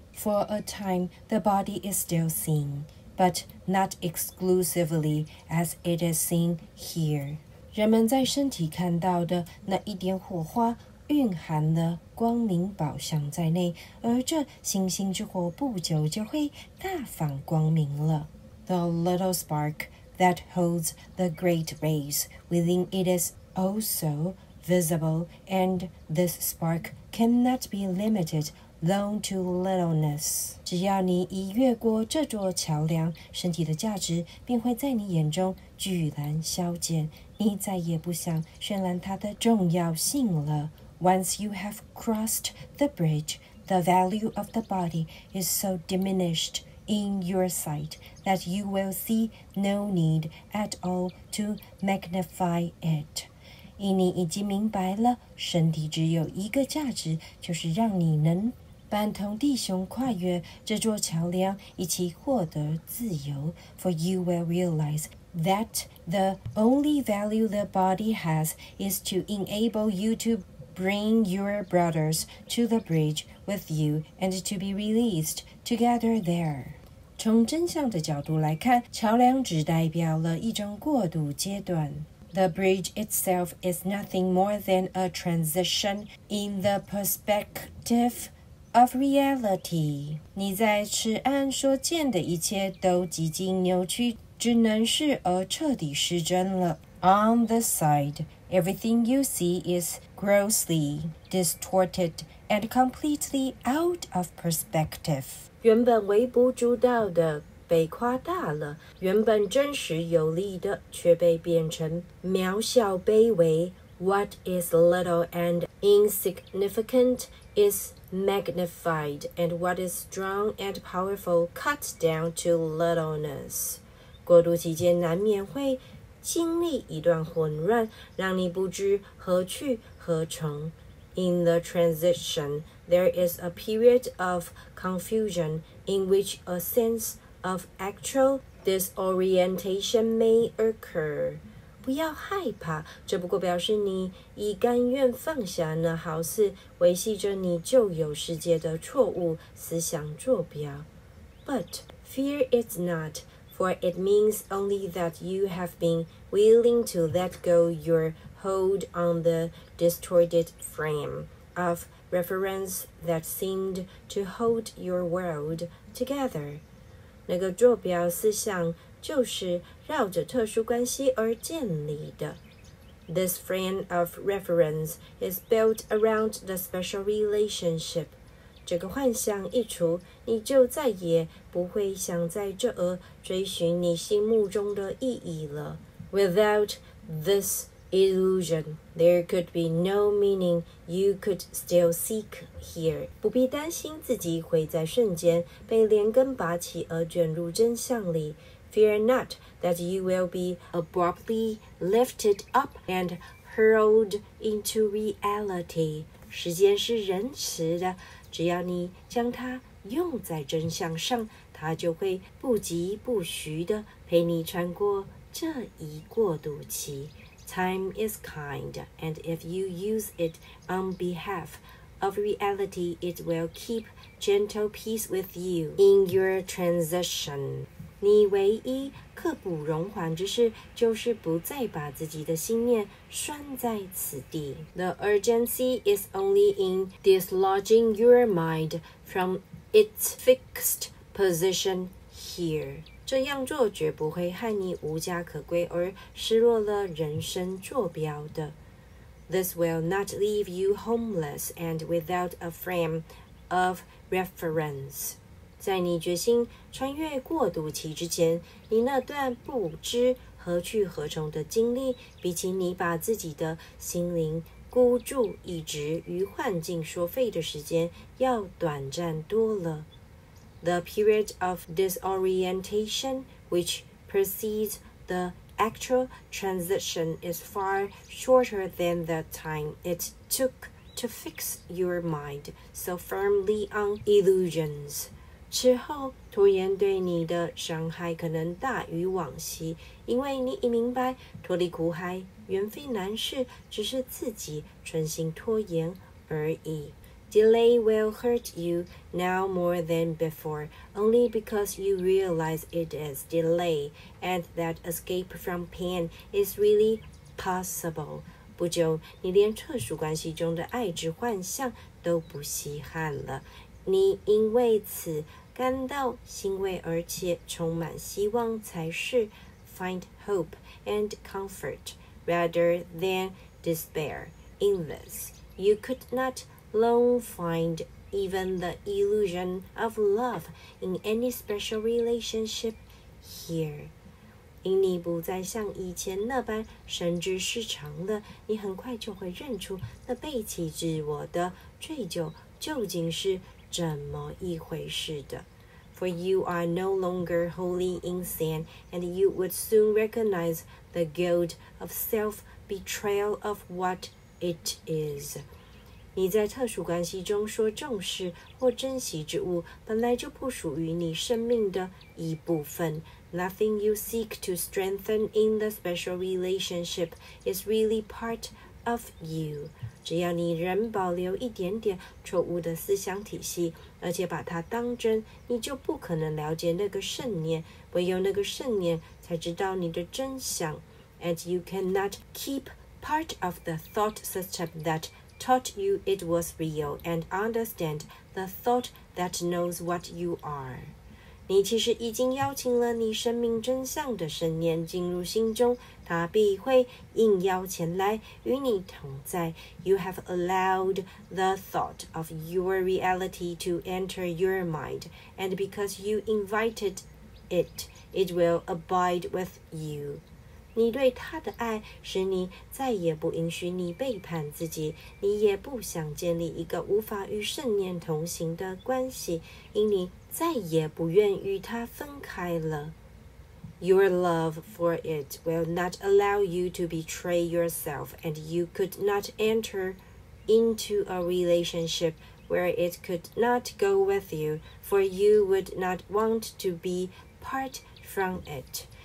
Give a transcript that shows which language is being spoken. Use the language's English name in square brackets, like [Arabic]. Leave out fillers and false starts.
[English] For a time, the body is still seen, but not exclusively as it is seen here. [Chinese] 人们在身体看到的那一点火花蕴含了光明宝相在内，而这星星之火不久就会大放光明了。 [English] The little spark that holds the great rays within it is also visible, and this spark cannot be limited long to littleness. [Chinese] 只要你一越过这座桥梁，身体的价值便会在你眼中居然消减，你再也不想渲染它的重要性了。 [English] Once you have crossed the bridge, the value of the body is so diminished in your sight that you will see no need at all to magnify it. [Chinese] 因你已经明白了，身体只有一个价值，就是让你能伴同弟兄跨越这座桥梁，一起获得自由。 [English] For you will realize that The only value the body has is to enable you to bring your brothers to the bridge with you and to be released together there. [Chinese] 从真相的角度来看，桥梁只代表了一种过渡阶段。 [English] The bridge itself is nothing more than a transition in the perspective of reality. [Chinese] 你在此岸所见的一切都几近扭曲，只能是而彻底失真了。 [English] On the side, everything you see is grossly distorted and completely out of perspective. [Chinese] 原本微不足道的被夸大了，原本真实有力的却被变成渺小卑微。 [English] What is little and insignificant is magnified, and what is strong and powerful cut down to littleness. [Chinese] 过渡期间难免会经历一段混乱，让你不知何去何从。 [English] In the transition, there is a period of confusion in which a sense of actual disorientation may occur. [Chinese] 不要害怕，这不过表示你已甘愿放下那好似维系着你旧有世界的错误思想坐标。 [English] But fear it not, for it means only that you have been willing to let go your hold on the distorted frame of reference that seemed to hold your world together. [Chinese] 那个坐标思想就是绕着特殊关系而建立的。 [English] This frame of reference is built around the special relationship. [Chinese] 这个幻想一除，你就再也不会想在这儿追寻你心目中的意义了。 [English] Without this illusion, there could be no meaning you could still seek here. [Chinese] 不必担心自己会在瞬间被连根拔起而卷入真相里。 [English] Fear not that you will be abruptly lifted up and hurled into reality. [Chinese] 时间是仁慈的，只要你将它用在真相上，它就会不疾不徐地陪你穿过这一过渡期。 [English] Time is kind, and if you use it on behalf of reality, it will keep gentle peace with you in your transition. [Chinese] 你唯一刻不容缓之事，就是不再把自己的心念拴在此地。 [English] The urgency is only in dislodging your mind from its fixed position here. [Chinese] 这样做绝不会害你无家可归而失落了人生坐标的。 [English] This will not leave you homeless and without a frame of reference. [Chinese] 在你决心穿越过渡期之前，你那段不知何去何从的经历，比起你把自己的心灵孤注一掷于幻境说废的时间，要短暂多了。 [English] The period of disorientation which precedes the actual transition is far shorter than the time it took to fix your mind so firmly on illusions. [Chinese] 此后，拖延对你的伤害可能大于往昔，因为你已明白，脱离苦海原非难事，只是自己存心拖延而已。 [English] Delay will hurt you now more than before, only because you realize it is delay, and that escape from pain is really possible. [Chinese] 不久，你连特殊关系中的爱之幻象都不稀罕了。你因为此感到欣慰，而且充满希望才是。 [English] Find hope and comfort rather than despair. In this, you could not long find even the illusion of love in any special relationship here. [Chinese] 因你不再像以前那般神志失常了，你很快就会认出那背弃自我的追究究竟是怎么一回事的。 [English] For you are no longer wholly insane, and you would soon recognize the guilt of self-betrayal of what it is. [Chinese] 你在特殊关系中所重视或珍惜之物，本来就不属于你生命的一部分。 [English] Nothing you seek to strengthen in the special relationship is really part of you. [Chinese] 只要你仍保留一点点错误的思想体系，而且把它当真，你就不可能了解那个圣念，唯有那个圣念才知道你的真相。 [English] And you cannot keep part of the thought system that taught you it was real and understand the thought that knows what you are. [Chinese] 你其实已经邀请了你生命真相的圣念进入心中，它必会应邀前来与你同在。 [English] You have allowed the thought of your reality to enter your mind, and because you invited it, it will abide with you. [Chinese] 你对他的爱使你再也不允许你背叛自己，你也不想建立一个无法与圣念同行的关系，因你再也不愿与他分开了。 [English] Your love for it will not allow you to betray yourself, and you could not enter into a relationship where it could not go with you, for you would not want to be part from it.